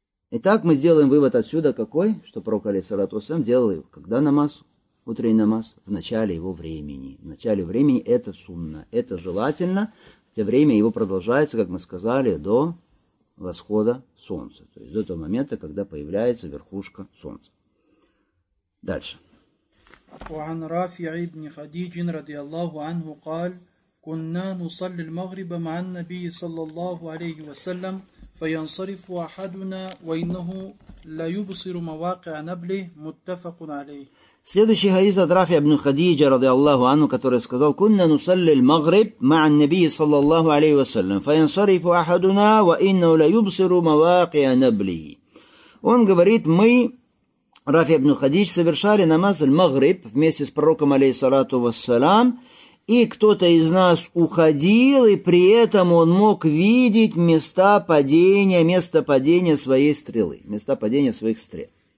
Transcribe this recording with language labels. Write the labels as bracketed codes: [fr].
[ru] Итак, мы сделаем вывод отсюда какой? Что пророк, алейхиссалату вассалям, делал его, когда намаз, утренний намаз, в начале его времени. В начале времени это сунна, это желательно, хотя время его продолжается, как мы сказали, до восхода солнца. То есть до того момента, когда появляется верхушка солнца. Дальше. [ar] وعن رافع بن خديج رضي الله عنه قال كنا نصلي المغرب مع النبي صلى الله عليه وسلم فينصرف أحدنا وإنه لا يبصر مواقع نبله متفق عليه. [ru] Следующий хадис от Рафи ибн Хадиджа [ar] رضي الله عنه, [ru] который сказал: [ar] كنا نصلي المغرب مع النبي صلى الله عليه وسلم فينصرف أحدنا وإنه لا يبصر مواقع نبله. [ru] Он говорит, мы Рафи ибн Хадидж совершали намаз аль-Магриб вместе с пророком, алейхиссалату вассалям, и кто-то из нас уходил, и при этом он мог видеть место падения своей стрелы, места падения своих стрел.